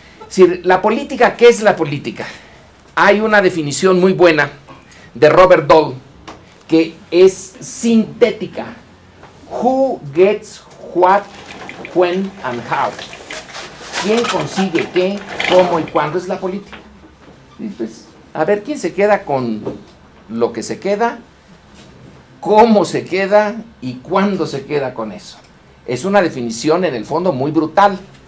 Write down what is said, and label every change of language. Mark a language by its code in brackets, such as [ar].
[es] Es decir, la política, ¿qué es la política? Hay una definición muy buena de Robert Dahl, que es sintética. [en] Who gets what, when and how. [es] ¿Quién consigue qué, cómo y cuándo es la política? Pues, a ver, ¿quién se queda con lo que se queda? ¿Cómo se queda y cuándo se queda con eso? Es una definición en el fondo muy brutal.